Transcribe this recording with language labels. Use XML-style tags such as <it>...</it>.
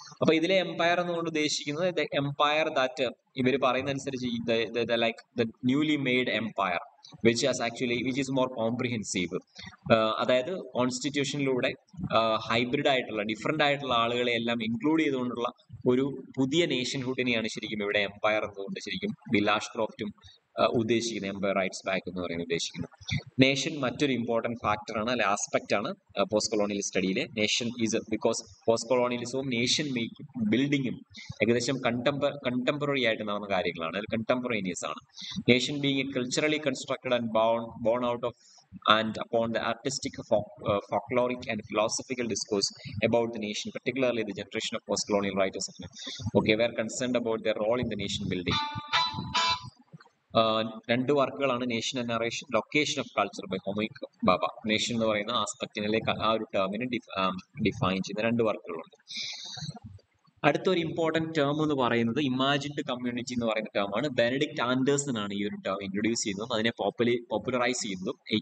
<ml>അപ്പൊ ഇതിലെ എംപയർ എന്നുകൊണ്ട് ഉദ്ദേശിക്കുന്നത്</ml> <en>the empire that</en> <ml>ഇവർ പറയുന്ന അനുസരിച്ച്</ml> <en>like the newly made empire which is actually which is more comprehensive,</en> <ml>അതായത് കോൺസ്റ്റിറ്റ്യൂഷനിലൂടെ ഹൈബ്രിഡ് ആയിട്ടുള്ള ഡിഫറെന്റ് ആയിട്ടുള്ള ആളുകളെ എല്ലാം ഇൻക്ലൂഡ് ചെയ്തുകൊണ്ടുള്ള ഒരു പുതിയ നേഷൻഹുഡിനെയാണ് ശരിക്കും ഇവിടെ എംപയർ എന്നുകൊണ്ട് ശരിക്കും ബിലാഷ് ക്രോഫ്റ്റും ഉദ്ദേശിക്കുന്ന എംപയർ റൈറ്റ്സ് ബാക്ക് എന്ന് പറയുന്നത് ഉദ്ദേശിക്കുന്നത്. നേഷൻ മറ്റൊരു ഇമ്പോർട്ടൻറ്റ് ഫാക്ടറാണ്, അല്ലെ ആസ്പെക്ട് ആണ് post colonial സ്റ്റഡിയിലെ.</ml> <en>nation is because</en> <ml>post കൊളോണിയലിസവും nation making ബിൽഡിങ്ങും ഏകദേശം കണ്ടംപററി ആയിട്ട് നടന്ന കാര്യങ്ങളാണ്, അല്ലെങ്കിൽ കണ്ടംപറേനിയസ് ആണ്.</ml> <en>Nation being a culturally constructed and born out of and upon the artistic folkloric and philosophical discourse about the nation, particularly the generation of post-colonial writers of them. Okay, we are concerned about their role in the nation building.</en> <ml>രണ്ട് വർക്കുകളാണ് nation and narration, location of culture by ഹൊമൈക് Baba. Nation എന്ന് പറയുന്ന ആസ്പെക്ടിനെ ആ ഒരു ടേമിനെ define ചെയ്യുന്ന രണ്ട് വർക്കുകളുണ്ട്. അടുത്തൊരു important term എന്ന് പറയുന്നത് ഇമാജിൻഡ് കമ്മ്യൂണിറ്റി എന്ന് പറയുന്ന ടേം ആണ്. ബെനഡിക്ട് ആൻഡേഴ്സൺ ആണ് ഈ ഒരു ടേം ഇൻട്രൊഡ്യൂസ് ചെയ്യുന്നതും അതിനെ പോപ്പുലറൈസ് ചെയ്യുന്നതും.</ml>